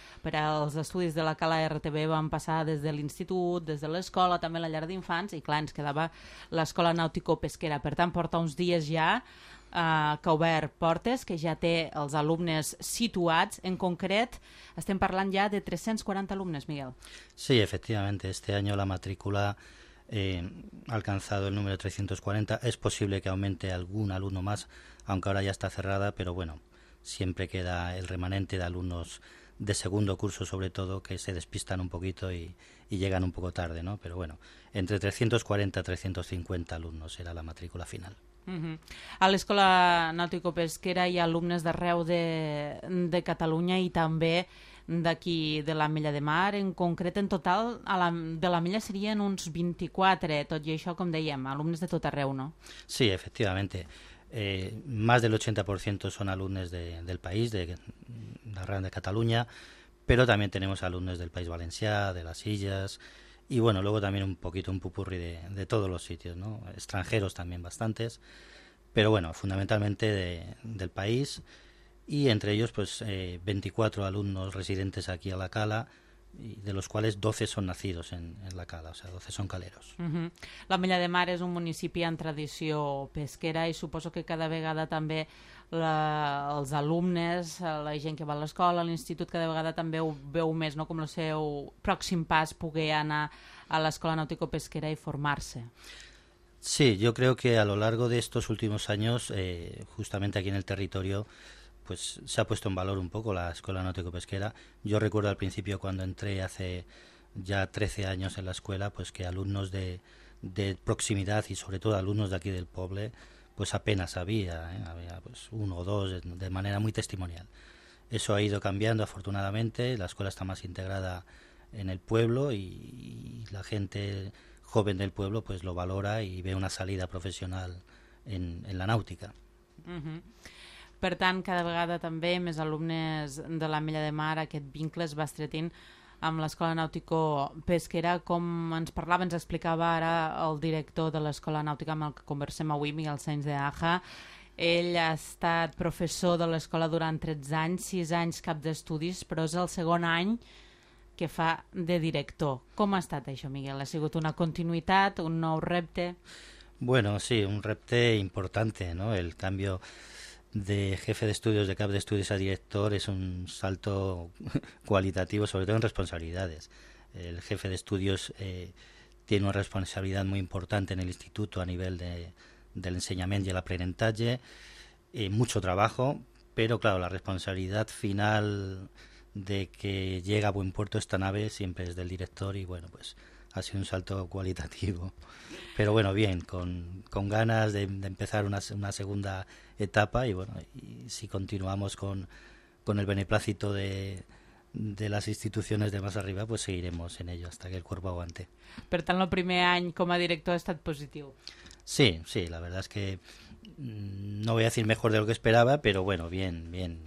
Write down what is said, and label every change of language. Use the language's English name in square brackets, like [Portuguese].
[Catalan] Per als estudis de la Cala RTV van passar des de l'institut, des de l'escola, també la llar d'infants, i clar, ens quedava l'Escola Nàutico-Pesquera. Per tant, porta uns dies ja que ha obert portes, que ja té els alumnes situats. En concret, estem parlant ja de 340 alumnes, Miguel. [Spanish] Sí, efectivament, [Catalan] este any [Spanish] la matrícula ha alcanzado el número 340. Es posible que aumente algún alumno más, aunque ahora ya está cerrada, pero bueno, siempre queda el remanente de alumnos de segundo curso, sobre todo, que se despistan un poquito y llegan un poco tarde, ¿no? Pero bueno, entre 340 y 350 alumnos será la matrícula final. Uh-huh. [Catalan] A l'Escola Nàutico-Pesquera hi ha alumnes d'arreu de Catalunya i també d'aquí de l'Ametlla de Mar. En concret, en total, de l'Ametlla serien uns 24, tot i això, com dèiem, alumnes de tot arreu, no? [Spanish] Sí, efectivament. Más del [Catalan] 80% són alumnes del país, d'arreu de Catalunya, però també tenim alumnes del País Valencià, de les Illes... [Spanish] Y bueno, luego también un poquito un pupurri de todos los sitios, ¿no? Extranjeros también bastantes, pero bueno, fundamentalmente del país, y entre ellos pues 24 alumnos residentes aquí a la Cala, y de los cuales 12 son nacidos en la Cala, o sea, 12 son caleros. Uh-huh. [Catalan] La Ametlla de Mar es un municipi en tradició pesquera i suposo que cada vegada també els alumnes, la gent que va a l'escola, l'institut, cada vegada també ho veu més, no?, com el seu pròxim pas poder anar a l'Escola Nàutico-Pesquera i formar-se. [Spanish] Sí, yo creo que a lo largo de estos últimos años, justamente aquí en el territorio, pues se ha puesto en valor un poco la Escuela Nautico-Pesquera. Yo recuerdo al principio cuando entré hace ya 13 años en la escuela, pues que alumnos de proximidad y sobre todo alumnos de aquí del pueblo, pues apenas había, ¿eh? Había pues uno o dos de manera muy testimonial. Eso ha ido cambiando afortunadamente, la escuela está más integrada en el pueblo y la gente joven del pueblo pues lo valora y ve una salida profesional en la náutica. Uh-huh. [Catalan] Per tant, cada vegada també més alumnes de l'Ametlla de Mar, aquest vincle es va estretint amb l'Escola Nàutico-Pesquera. Com ens parlava, ens explicava ara el director de l'Escola Nàutica amb el que conversem avui, Miguel Sainz de Aja. Ell ha estat professor de l'escola durant 13 anys, 6 anys cap d'estudis, però és el segon any que fa de director. Com ha estat això, Miguel? Ha sigut una continuïtat, un nou repte? [Spanish] Bueno, sí, un repte important, ¿no? El cambio de jefe de estudios, de cap de estudios a director, es un salto cualitativo, sobre todo en responsabilidades. El jefe de estudios tiene una responsabilidad muy importante en el instituto a nivel del enseñamiento y el aprendizaje, mucho trabajo, pero claro, la responsabilidad final de que llegue a buen puerto esta nave siempre es del director y bueno, pues ha sido un salto cualitativo. Pero bueno, bien, con ganas de empezar una segunda etapa y bueno, y si continuamos con el beneplácito de las instituciones de más arriba, pues seguiremos en ello hasta que el cuerpo aguante. [Catalan] Per tant, el primer any com a director ha estat positiu. [Spanish] Sí, sí, la verdad es que no voy a decir mejor de lo que esperaba, pero bueno, bien, bien.